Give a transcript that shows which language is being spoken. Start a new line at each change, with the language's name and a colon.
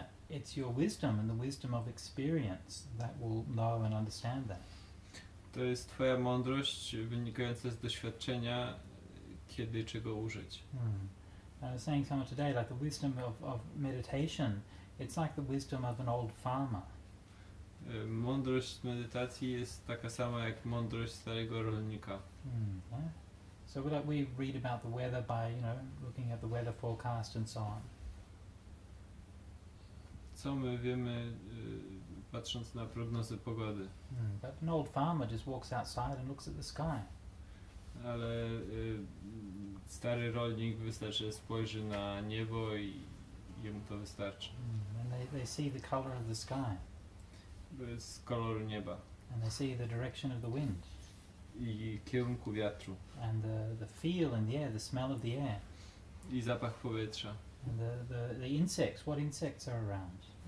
English: It's your wisdom and the wisdom of experience that will know and understand that.
Polish: To jest twoja mądrość wynikająca z doświadczenia, kiedy czego użyć.
English: I was saying somewhere today, like the wisdom of meditation, it's like the wisdom of an old farmer.
Polish: Mądrość medytacji jest taka sama jak mądrość starego rolnika.
English: So like we read about the weather by, you know, looking at the weather forecast and so on.
Polish: Co my wiemy, patrząc na prognozy pogody?
English: But an old farmer just walks outside and looks at the sky.
Polish: Ale stary rolnik wystarczy, spojrzy na niebo i jemu to wystarczy.
English: And they see the color of the sky.
Polish: Z koloru nieba.
English: And they see the direction of the wind.
Polish: I kierunku wiatru.
English: And the feel in the air, the smell of the air.
Polish: I zapach powietrza.
English: And the insects, what insects are around.